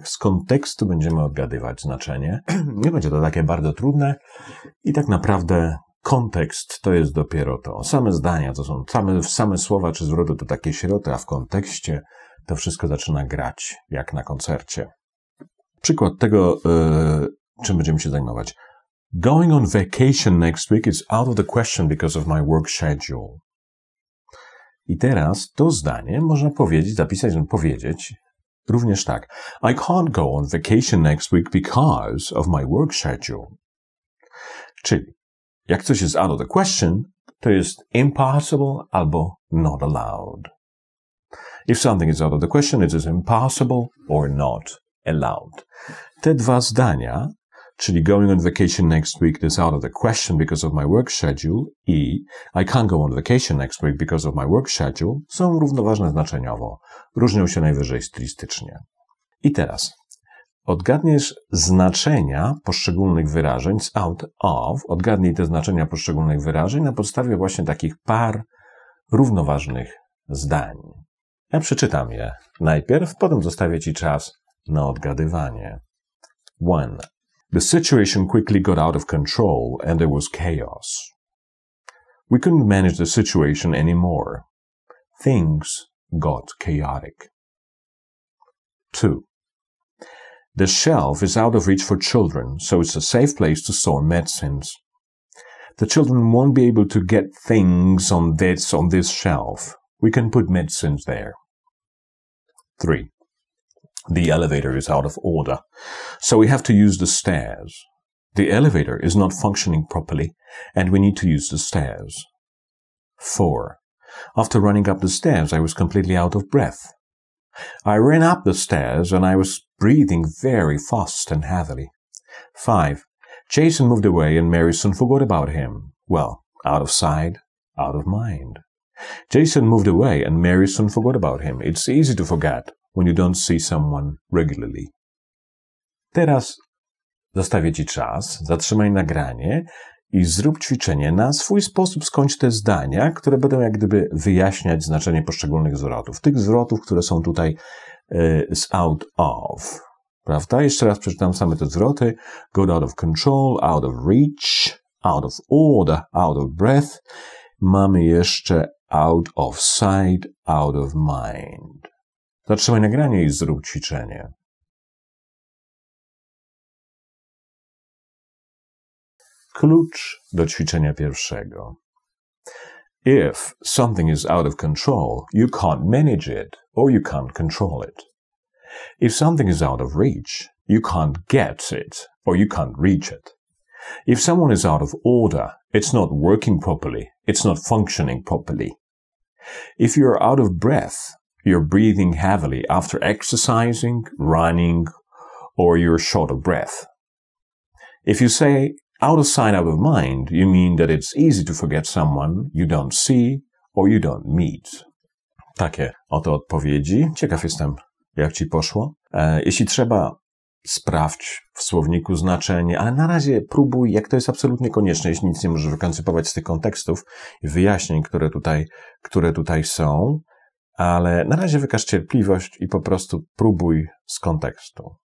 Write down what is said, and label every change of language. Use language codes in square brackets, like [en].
[pl] Z kontekstu będziemy odgadywać znaczenie. Nie będzie to takie bardzo trudne. I tak naprawdę kontekst to jest dopiero to. Same zdania to są same słowa czy zwroty to takie środy, a w kontekście to wszystko zaczyna grać jak na koncercie. Przykład tego, czym będziemy się zajmować. [en] Going on vacation next week is out of the question because of my work schedule. [pl] I teraz to zdanie można powiedzieć, zapisać, powiedzieć również tak. [en] I can't go on vacation next week because of my work schedule. [pl] Czyli jak coś jest [en] out of the question, [pl] to jest impossible albo [en] not allowed. If something is out of the question, it is impossible or not allowed. [pl] Te dwa zdania, czyli [en] going on vacation next week is out of the question because of my work schedule i I can't go on vacation next week because of my work schedule, [pl] są równoważne znaczeniowo. Różnią się najwyżej stylistycznie. I teraz odgadniesz znaczenia poszczególnych wyrażeń z [en] out of. [pl] Odgadnij te znaczenia poszczególnych wyrażeń na podstawie właśnie takich par równoważnych zdań. Ja przeczytam je najpierw, potem zostawię ci czas na odgadywanie. [en] One. The situation quickly got out of control and there was chaos. We couldn't manage the situation anymore. Things got chaotic. Two. The shelf is out of reach for children, so it's a safe place to store medicines. The children won't be able to get things on this shelf. We can put medicines there. Three. The elevator is out of order, so we have to use the stairs. The elevator is not functioning properly, and we need to use the stairs. Four. After running up the stairs, I was completely out of breath. I ran up the stairs, and I was breathing very fast and heavily. Five. Jason moved away, and Mary soon forgot about him. Well, out of sight, out of mind. Jason moved away, and Mary soon forgot about him. It's easy to forget when you don't see someone regularly. [pl] Teraz zostawię ci czas, zatrzymaj nagranie i zrób ćwiczenie na swój sposób, skończ te zdania, które będą jak gdyby wyjaśniać znaczenie poszczególnych zwrotów. Tych zwrotów, które są tutaj z [en] out of. [pl] Prawda? Jeszcze raz przeczytam same te zwroty. [en] Got out of control, out of reach, out of order, out of breath. [pl] Mamy jeszcze [en] out of sight, out of mind. [pl] Zatrzymaj nagranie i zrób ćwiczenie. Klucz do ćwiczenia pierwszego. [en] If something is out of control, you can't manage it or you can't control it. If something is out of reach, you can't get it or you can't reach it. If someone is out of order, it's not working properly, it's not functioning properly. If you're out of breath, you're breathing heavily after exercising, running, or you're short of breath. If you say out of sight, out of mind, you mean that it's easy to forget someone you don't see or you don't meet. [pl] Takie oto odpowiedzi. Ciekaw jestem, jak ci poszło. Jeśli trzeba, sprawdź w słowniku znaczenie, ale na razie próbuj, jak to jest absolutnie konieczne, jeśli nic nie możesz wykoncypować z tych kontekstów i wyjaśnień, które tutaj są. Ale na razie wykaż cierpliwość i po prostu próbuj z kontekstu.